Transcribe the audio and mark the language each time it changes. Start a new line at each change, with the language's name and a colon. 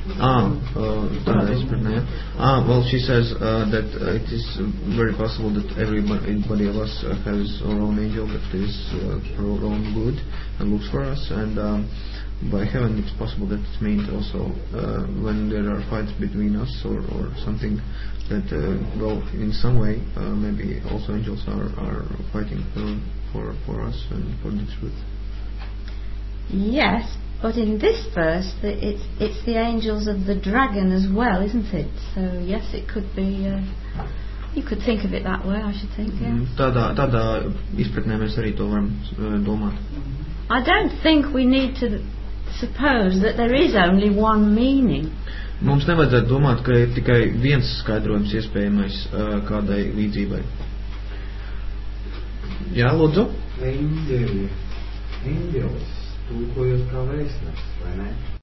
Latvian: Ah, tā es pretnē, jā.
English: Ah, well, she says that it is very possible that everybody of us has our own angel that is for our own good and looks for us, and by heaven it's possible that it means also when there are fights between us or something that, well, in some way, maybe also angels are fighting for for us and for the truth. Yes, but in this verse, it's the angels of the dragon as well, isn't it? So yes, it could be. You could think of it that way, I should think. Yes.
Latvian: Tādā izpratnē mēs arī to varam domāt.
English: I don't think we need to suppose that there is only one meaning.
Latvian: Mums nevajadzētu domāt, ka ir tikai viens skaidrojums iespējamais kādai līdzībai. Jā, lūdzu? Eindeli. Eindeli. Tūkojot kā vēstnes, vai ne?